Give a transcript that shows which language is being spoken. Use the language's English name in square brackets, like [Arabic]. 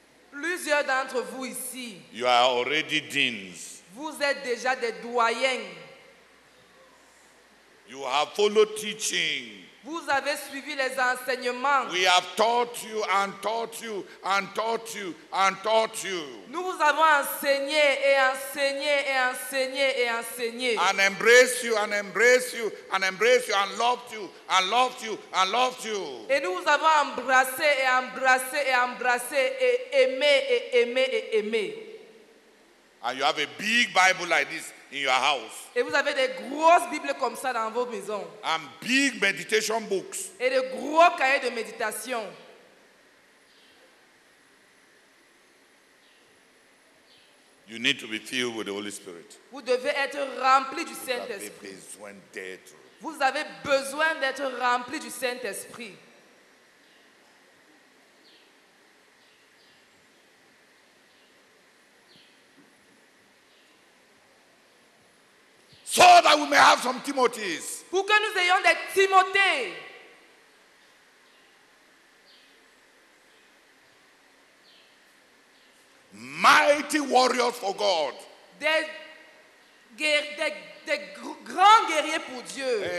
[French] Plusieurs d'entre vous ici. [English] You are already deans. [French] Vous êtes déjà des doyens. [English] You have followed teaching. [French] Vous avez suivi les enseignements. [English] We have taught you and taught you and taught you and taught you. [French] Nous vous avons enseigné et enseigné et enseigné et enseigné. [English] And embrace you and embrace you and embrace you and loved you and loved you and loved you. [French] Et nous vous avons embrassé et embrassé et embrassé et aimé et aimé et aimé. [English] And you have a big Bible like this in your house. [French] Et vous avez des grosses Bibles comme ça dans vos maisons. [English] And big meditation books. [French] Et de gros cahiers de méditation. [English] You need to be filled with the Holy Spirit. [French] Vous devez être rempli du vous Saint-Esprit. Avez besoin d'être. Vous avez besoin d'être rempli du Saint-Esprit. [English] So that we may have some Timothys. [French] Pour que nous ayons des Timothées. [English] Mighty warriors for God. [French] Des des grands guerriers pour Dieu.